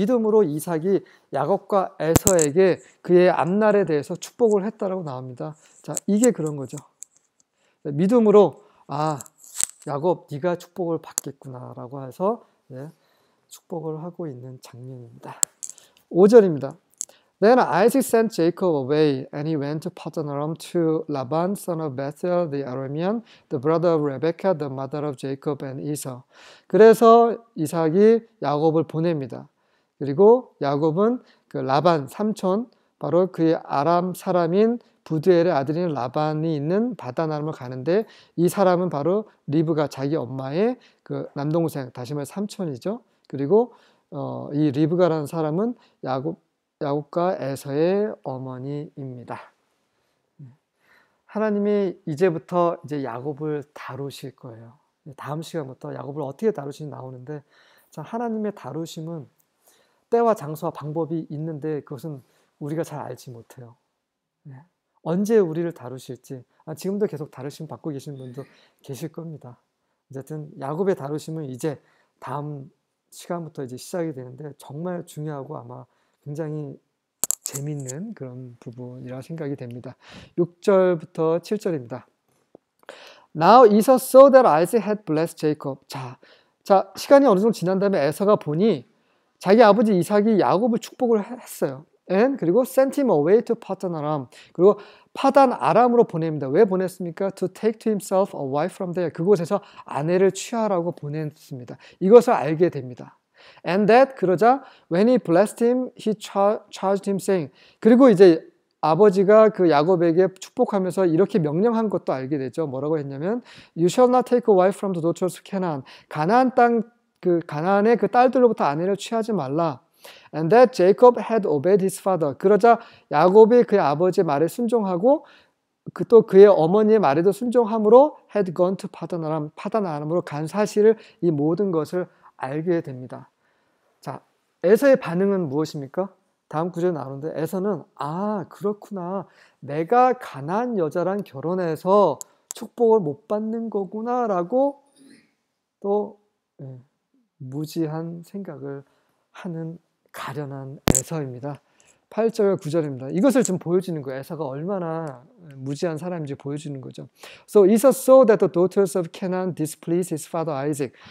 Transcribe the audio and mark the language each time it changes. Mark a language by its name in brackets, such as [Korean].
[Korean] 믿음으로 이삭이 야곱과 에서에게 그의 앞날에 대해서 축복을 했다라고 나옵니다. 자, 이게 그런 거죠. 믿음으로 아, 야곱 네가 축복을 받겠구나라고 해서 네, 축복을 하고 있는 장면입니다. 5절입니다. [English] Then Isaac sent Jacob away, and he went to Paddan Aram to Laban, son of Bethuel, the Aramean, the brother of Rebekah, the mother of Jacob and Esau. [Korean] 그래서 이삭이 야곱을 보냅니다. 그리고 야곱은 그 라반 삼촌, 바로 그의 아람 사람인 부두엘의 아들인 라반이 있는 바단 아람을 가는데 이 사람은 바로 리브가 자기 엄마의 그 남동생, 다시 말해 삼촌이죠. 그리고 이 리브가라는 사람은 야곱과 에서의 어머니입니다. 하나님이 이제부터 이제 야곱을 다루실 거예요. 다음 시간부터 야곱을 어떻게 다루시는지 나오는데 참 하나님의 다루심은 때와 장소와 방법이 있는데 그것은 우리가 잘 알지 못해요. 언제 우리를 다루실지 지금도 계속 다루심 받고 계신 분도 계실 겁니다. 어쨌든 야곱의 다루심은 이제 다음 시간부터 이제 시작이 되는데 정말 중요하고 아마 굉장히 재밌는 그런 부분이라 생각이 됩니다. 6절부터 7절입니다. [English] Now Esau saw that Isaac had blessed Jacob. [Korean] 자, 시간이 어느 정도 지난 다음에 에서가 보니 자기 아버지 이삭이 야곱을 축복을 했어요. [English] And [Korean] 그리고 [English] sent him away to Paddan Aram. [Korean] 그리고 파단 아람으로 보냅니다. 왜 보냈습니까? [English] To take to himself a wife from there. [Korean] 그곳에서 아내를 취하라고 보냈습니다. 이것을 알게 됩니다. [English] And that [Korean] 그러자 [English] when he blessed him, he charged him saying. [Korean] 그리고 이제 아버지가 그 야곱에게 축복하면서 이렇게 명령한 것도 알게 되죠. 뭐라고 했냐면 [English] you shall not take a wife from the daughters of Canaan. [Korean] 가나안 땅 그 가나안의 그 딸들로부터 아내를 취하지 말라. [English] And that Jacob had obeyed his father. [Korean] 그러자 야곱이 그의 아버지의 말에 순종하고 그 또 그의 어머니의 말에도 순종함으로 [English] had gone to Paddan Aram. [Korean] 파단 아람으로 간 사실을 이 모든 것을 알게 됩니다. 자, 에서의 반응은 무엇입니까? 다음 구절에 나오는데 에서는 아 그렇구나 내가 가난 여자랑 결혼해서 축복을 못 받는 거구나 라고 또 무지한 생각을 하는 가련한 에서입니다. 8절과 9절입니다. 이것을 좀 보여주는 거예요. 에서가 얼마나 무지한 사람인지 보여주는 거죠. [English] So Esau saw that the daughters of Canaan displeased his father Isaac.